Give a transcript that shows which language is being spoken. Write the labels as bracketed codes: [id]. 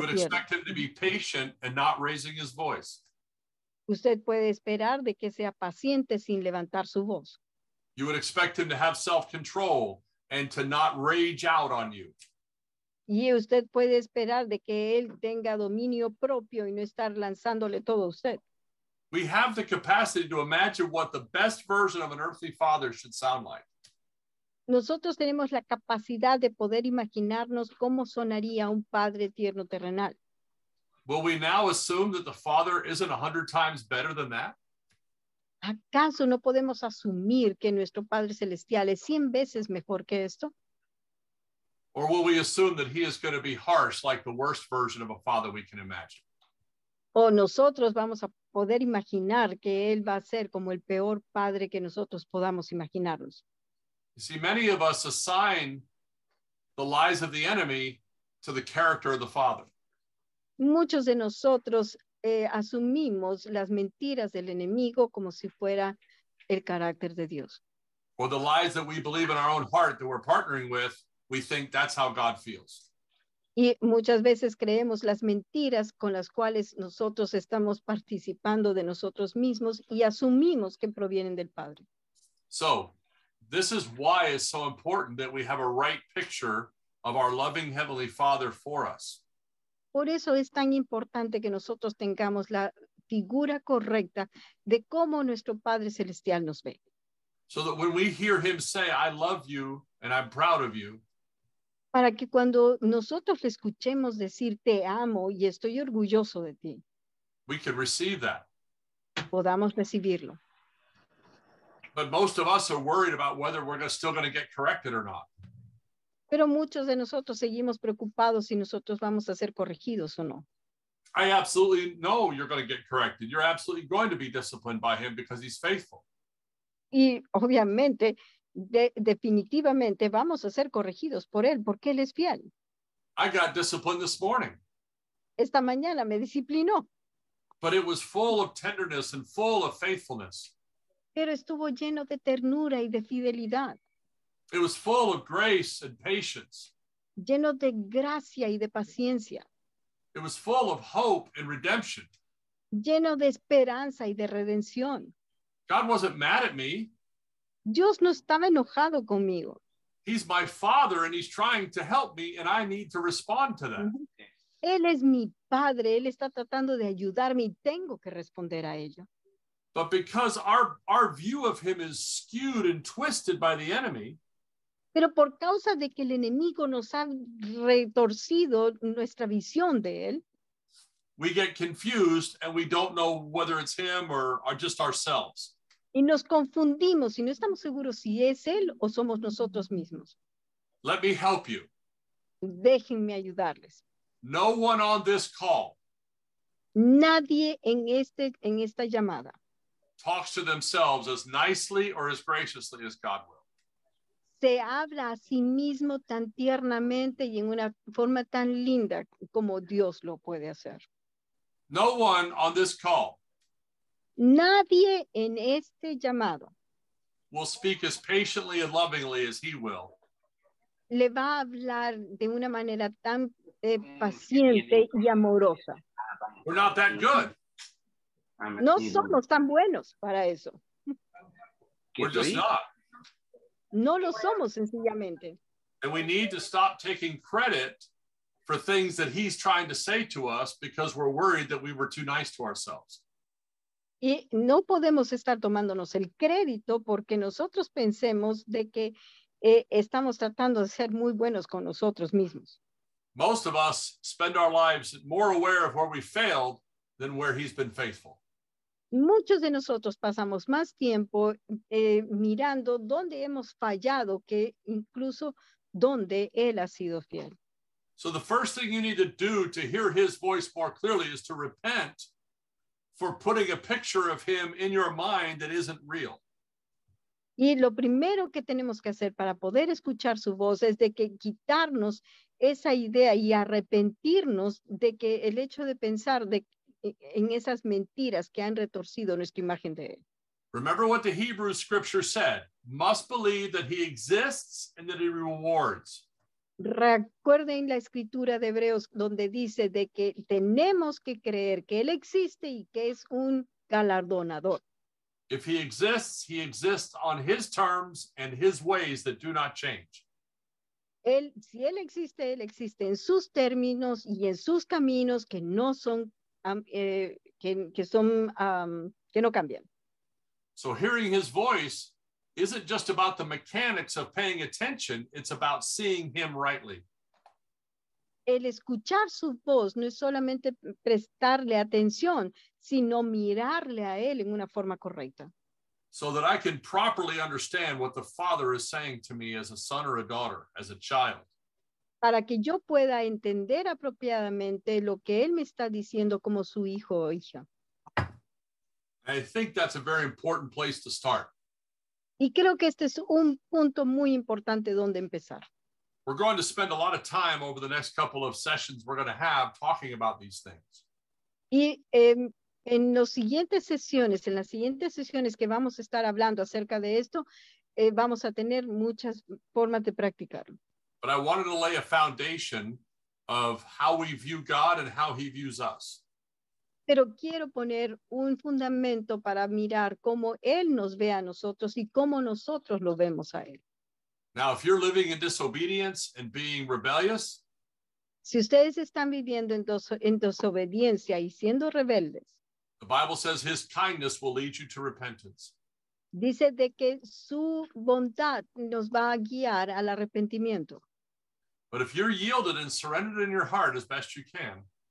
[en] you would expect him to be patient and not raising his voice. [es] Usted puede esperar de que sea paciente sin levantar su voz. [en] You would expect him to have self-control and to not rage out on you. [es] Y usted puede esperar de que él tenga dominio propio y no estar lanzándole todo a usted. [en] We have the capacity to imagine what the best version of an earthly father should sound like. [es] Nosotros tenemos la capacidad de poder imaginarnos cómo sonaría un padre tierno terrenal. [en] Will we now assume that the father isn't 100 times better than that? [es] ¿Acaso no podemos asumir que nuestro Padre Celestial es 100 veces mejor que esto? [en] Or will we assume that he is going to be harsh like the worst version of a father we can imagine? [es] ¿O nosotros vamos a poder imaginar que él va a ser como el peor padre que nosotros podamos imaginarnos? [en] You see, many of us assign the lies of the enemy to the character of the father. [es] Muchos de nosotros asumimos las mentiras del enemigo como si fuera el carácter de Dios. [en] Or the lies that we believe in our own heart that we're partnering with, we think that's how God feels. [es] Y muchas veces creemos las mentiras con las cuales nosotros estamos participando de nosotros mismos y asumimos que provienen del Padre. [en] So, this is why it's so important that we have a right picture of our loving Heavenly Father for us. [es] Por eso es tan importante que nosotros tengamos la figura correcta de cómo nuestro Padre Celestial nos ve. [en] So that when we hear him say, I love you and I'm proud of you. [es] Para que cuando nosotros le escuchemos decir, te amo y estoy orgulloso de ti. [en] We can receive that. [es] Podamos recibirlo. [en] But most of us are worried about whether we're still going to get corrected or not. [es] Pero muchos de nosotros seguimos preocupados si nosotros vamos a ser corregidos o no. [en] I absolutely know you're going to get corrected. You're absolutely going to be disciplined by him because he's faithful. [es] Y obviamente, definitivamente vamos a ser corregidos por él porque él es fiel. [en] I got disciplined this morning. [es] Esta mañana me disciplinó. [en] But it was full of tenderness and full of faithfulness. [es] Pero estuvo lleno de ternura y de fidelidad. [en] It was full of grace and patience. [es] lleno de gracia y de paciencia. [en] It was full of hope and redemption. [es] Lleno de esperanza y de redención. [en] God wasn't mad at me. [es] Dios no estaba enojado conmigo. [en] He's my father and he's trying to help me and I need to respond to that. [es] Él es mi padre, él está tratando de ayudarme y tengo que responder a ello. [en] But because our view of him is skewed and twisted by the enemy. [es] Pero por causa de que el enemigo nos ha retorcido nuestra visión de él. [en] We get confused and we don't know whether it's him or just ourselves. [es] Y nos confundimos y no estamos seguros si es él o somos nosotros mismos. [en] Let me help you. [es] Déjenme ayudarles. [en] No one on this call. [es] Nadie en esta llamada. [en] Talks to themselves as nicely or as graciously as God will. [es] Se habla a sí mismo tan tiernamente y en una forma tan linda como Dios lo puede hacer. [en] No one on this call. [es] Nadie en este llamado [en] will speak as patiently and lovingly as he will. [es] Le va a hablar de una manera tan paciente y amorosa. [en] We're not that good. [es] No somos tan buenos para eso. [en] We're just not. [es] No lo somos sencillamente. [en] And we need to stop taking credit for things that he's trying to say to us because we're worried that we were too nice to ourselves. [es] Y no podemos estar tomándonos el crédito porque nosotros pensemos de que estamos tratando de ser muy buenos con nosotros mismos. [en] Most of us spend our lives more aware of where we failed than where he's been faithful. [es] Muchos de nosotros pasamos más tiempo mirando dónde hemos fallado que incluso dónde él ha sido fiel. [en] So the first thing you need to do to hear his voice more clearly is to repent for putting a picture of him in your mind that isn't real. [es] Y lo primero que tenemos que hacer para poder escuchar su voz es de que quitarnos esa idea y arrepentirnos de que el hecho de pensar en esas mentiras que han retorcido nuestra imagen de él. [en] Remember what the Hebrew scripture said, must believe that he exists and that he rewards. [es] Recuerden la escritura de Hebreos donde dice de que tenemos que creer que él existe y que es un galardonador. [en] If he exists on his terms and his ways that do not change. [es] Él existe en sus términos y en sus caminos que no son que no cambian. [en] So hearing his voice isn't just about the mechanics of paying attention, it's about seeing him rightly. [es] El escuchar su voz no es solamente prestarle atención, sino mirarle a él en una forma correcta. [en] So that I can properly understand what the Father is saying to me as a son or a daughter, as a child. [es] Para que yo pueda entender apropiadamente lo que él me está diciendo como su hijo o hija. [en] I think that's a very important place to start. [es] Y creo que este es un punto muy importante donde empezar. [en] We're going to spend a lot of time over the next couple of sessions we're going to have talking about these things. [es] Y en las siguientes sesiones, que vamos a estar hablando acerca de esto, vamos a tener muchas formas de practicarlo. [en] But I wanted to lay a foundation of how we view God and how he views us. [es] Pero quiero poner un fundamento para mirar cómo él nos ve a nosotros y cómo nosotros lo vemos a él. [en] Now, if you're living in disobedience and being rebellious, [es] si ustedes están viviendo en desobediencia y siendo rebeldes, [en] the Bible says his kindness will lead you to repentance. [es] Dice de que su bondad nos va a guiar al arrepentimiento. [en] But if you're yielded and surrendered in your heart as best you can,